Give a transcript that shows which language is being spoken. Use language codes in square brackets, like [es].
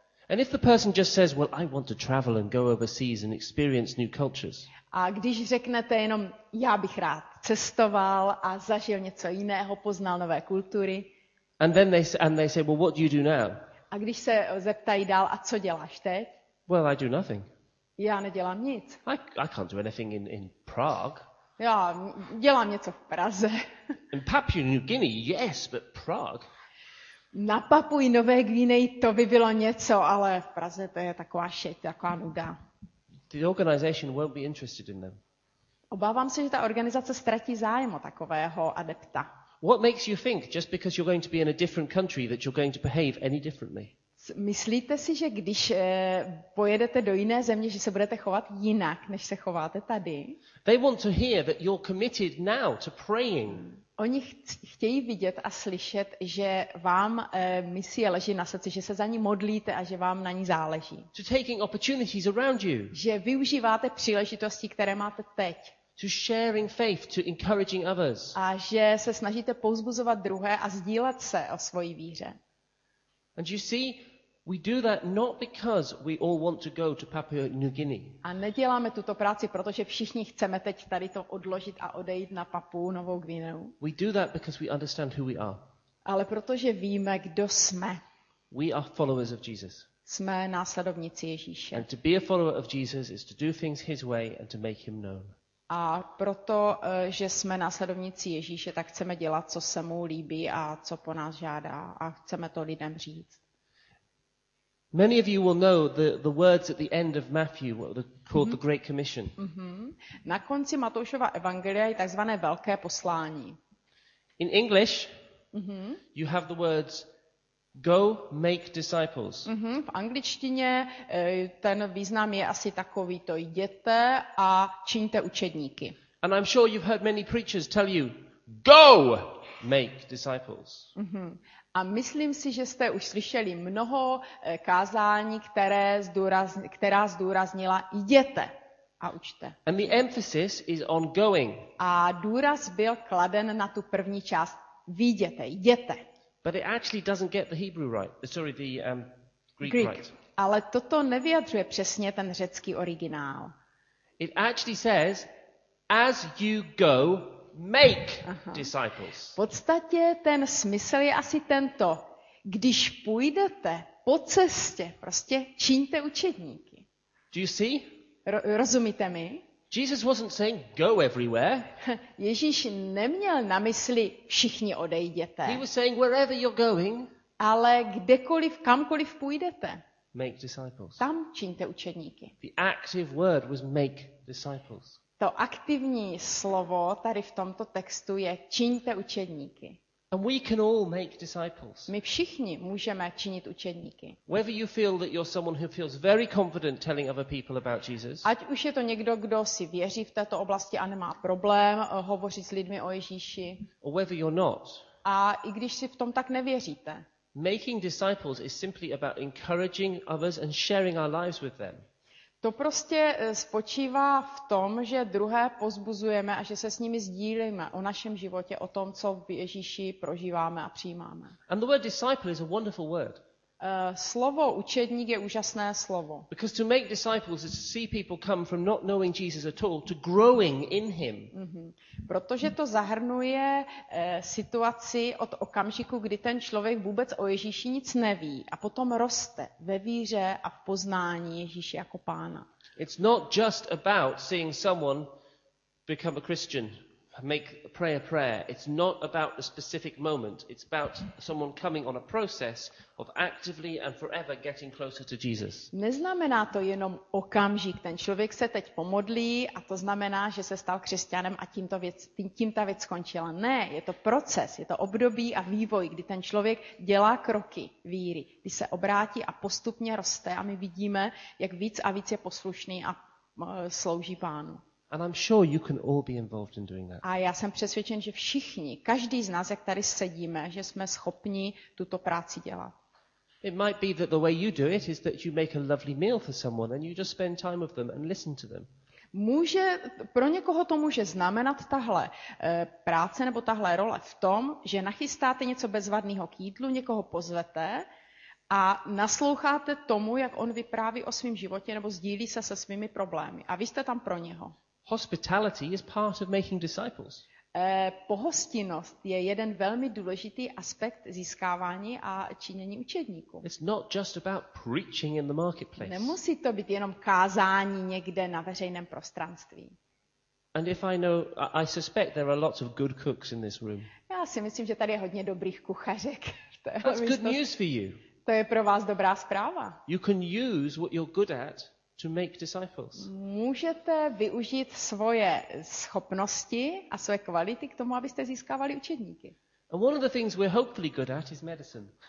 [en] And if the person just says, well, I want to travel and go overseas and experience new cultures. [cs] A když řeknete jenom, já bych rád cestoval a zažil něco jiného, poznal nové kultury. [en] And then they say, well, what do you do now? [cs] A když se zeptají dál, a co děláš teď? [en] Well, I do nothing. [cs] Já nedělám nic. [en] I can't do anything in Prague. [cs] Já dělám něco v Praze. [en] In Papua New Guinea, yes, but Prague. [cs] Na Papuji Nové Guineji to by bylo něco, ale v Praze to je taková šeť, taková nuda. [en] The organization won't be interested in them. [cs] Obávám se, že ta organizace ztratí zájem o takového adepta. [en] What makes you think just because you're going to be in a different country that you're going to behave any differently? [cs] Myslíte si, že když pojedete do jiné země, že se budete chovat jinak, než se chováte tady? [en] They want to hear that you're committed now to praying. [cs] Oni chtějí vidět a slyšet, že vám misie leží na srdci, že se za ní modlíte a že vám na ní záleží. [en] To taking opportunities around you. [cs] Že využíváte příležitosti, které máte teď. [en] To sharing faith, to encouraging others. [cs] A že se snažíte povzbuzovat druhé a sdílet se o svojí víře. [en] And you see, we do that not because we all want to go to Papua New Guinea. [cs] A neděláme tuto práci, protože všichni chceme teď tady to odložit a odejít na Papuu Novou Guineu. [en] We do that because we understand who we are. [cs] Ale protože víme, kdo jsme. [en] We are followers of Jesus. [cs] Jsme následovníci Ježíše. [en] And to be a follower of Jesus is to do things his way and to make him known. [cs] A proto, že jsme následovníci Ježíše, tak chceme dělat, co se mu líbí a co po nás žádá a chceme to lidem říct. [en] Many of you will know the words at the end of Matthew, called the Great Commission. Mm-hmm. [cs] Na konci Matoušova evangelia je takzvané velké poslání. [en] In English, you have the words go make disciples. Mm-hmm. [cs] V angličtině ten význam je asi takový to jděte a čiňte učedníky. [en] And I'm sure you've heard many preachers tell you go make disciples. Mm-hmm. [cs] A myslím si, že jste už slyšeli mnoho kázání, která zdůraznila jděte a učte. And the emphasis is on going. A důraz byl kladen na tu první část. Vyjděte, jděte. [en] But it actually doesn't get the Hebrew right. Sorry, the Greek, Greek right. [cs] Ale toto nevyjadřuje přesně ten řecký originál. [en] It actually says as you go make disciples. [cs] V podstatě ten smysl je asi tento. Když půjdete po cestě, prostě čiňte učedníky. [en] Do you see? [cs] Rozumíte mi? [en] Jesus wasn't saying go everywhere. [cs] Ježíš neměl na mysli všichni odejděte. [en] He was saying wherever you're going, [cs] ale kdekoliv, kamkoliv půjdete. [en] Make disciples. [cs] Tam čiňte učedníky. [en] The active word was make disciples. [cs] To aktivní slovo tady v tomto textu je čiňte učedníky. [en] And we can all make disciples. [cs] My všichni můžeme činit učedníky. [en] Whether you feel that you're someone who feels very confident telling other people about Jesus. [cs] Ať už je to někdo, kdo si věří v této oblasti a nemá problém hovořit s lidmi o Ježíši. [en] Or whether you're not. [cs] A i když si v tom tak nevěříte. [en] Making disciples is simply about encouraging others and sharing our lives with them. [cs] To prostě spočívá v tom, že druhé pozbuzujeme a že se s nimi sdílíme o našem životě, o tom, co v Ježíši prožíváme a přijímáme. [en] And the word disciple is a wonderful word. [cs] Slovo učedník je úžasné slovo. [en] Because to make disciples is to see people come from not knowing Jesus at all to growing in him. Mm-hmm. [cs] Protože to zahrnuje situaci od okamžiku, kdy ten člověk vůbec o Ježíši nic neví a potom roste ve víře a v poznání Ježíše jako Pána. [en] It's not just about seeing someone become a Christian. Make a prayer prayer. It's not about a specific moment. It's about someone coming on a process of actively and forever getting closer to Jesus. [cs] Neznamená to jenom okamžik. Ten člověk se teď pomodlí a to znamená, že se stal křesťanem a tím ta věc skončila. Ne, je to proces, je to období a vývoj, kdy ten člověk dělá kroky víry, kdy se obrátí a postupně roste a my vidíme, jak víc a víc je poslušný a slouží Pánu. [en] And I'm sure you can all be involved in doing that. [cs] A já jsem přesvědčen, že všichni, každý z nás, jak tady sedíme, že jsme schopni tuto práci dělat. [en] It might be that the way you do it is that you make a lovely meal for someone and you just spend time with them and listen to them. [cs] Může pro někoho to může znamenat tahle práce nebo tahle role v tom, že nachystáte něco bezvadného k jídlu, někoho pozvete a nasloucháte tomu, jak on vypráví o svém životě nebo sdílí se svými problémy a vy jste tam pro něho. [en] Hospitality is part of making disciples. [cs] Pohostinnost je jeden velmi důležitý aspekt získávání a činění učedníků. [en] It's not just about preaching in the marketplace. [cs] Nemusí to být jenom kázání někde na veřejném prostranství. [en] And if I know, I suspect there are lots of good cooks in this room. [cs] Já si myslím, že tady je hodně dobrých kuchařek. [en] That's good news for you. [cs] To je pro vás dobrá zpráva. [en] You can use what you're good at to make disciples. [cs] Můžete využít svoje schopnosti a své kvality k tomu, abyste získávali učedníky. [en] And one of the things we're hopefully good at is medicine.